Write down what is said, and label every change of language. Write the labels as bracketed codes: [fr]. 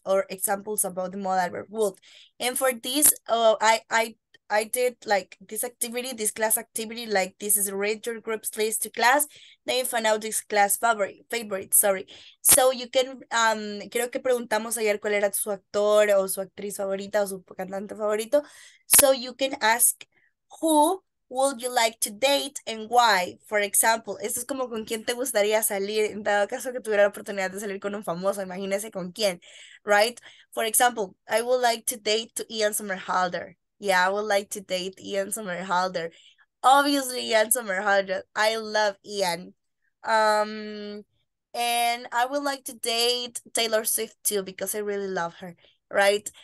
[en] Or examples about the modal verb would. And for this, I did like this activity, this class activity, like this is read your group's list to class. Then you find out this class favorite, sorry. So you can, [es] creo que preguntamos ayer cuál era su actor o su actriz favorita o su cantante favorito. [en] So you can ask who would you like to date and why, for example. [es] Esto es como con quién te gustaría salir en dado caso que tuviera la oportunidad de salir con un famoso, imagínese con quién, right? [en] For example, I would like to date to Ian Somerhalder. Yeah, I would like to date Ian Somerhalder. Obviously, Ian Somerhalder. I love Ian. And I would like to date Taylor Swift too, because I really love her, right?